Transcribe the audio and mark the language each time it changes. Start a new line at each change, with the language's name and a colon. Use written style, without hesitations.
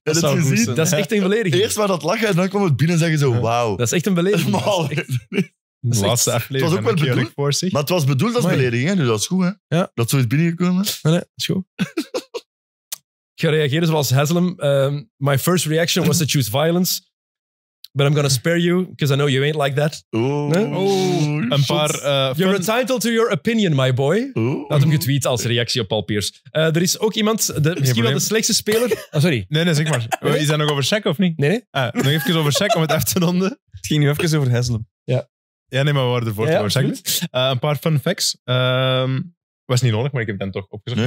Dutch: Dat is echt een belediging. Eerst was dat lachen en dan kwam het binnen en zeggen zo, wauw. Dat is echt een belediging. De laatste aflevering. Het was ook wel bedoeld. Voor zich. Maar het was bedoeld als belediging, dus dat is goed. Hè? Ja. Dat zo is binnengekomen. Nee, dat is goed. Ik ga reageren zoals Haslem.
English: My first reaction was to choose violence. But I'm gonna spare you, because I know you ain't like that.
Dutch: Oh. Nee? Oh, een paar,
English: you're entitled to your opinion, my boy. Oh.
Dutch: Dat had hem getweet als reactie op Paul Pierce. Er is ook iemand, misschien wel de slechtste speler. Oh, sorry. Nee, zeg maar. Nee? Is dat nog over Shaq of niet? Nee. Nog even over Shaq om het af te ronden. Het ging nu even over Haslem. Ja. Ja, nee, maar we waren ervoor. Een paar fun facts. Was niet nodig, maar ik heb dan toch opgezocht.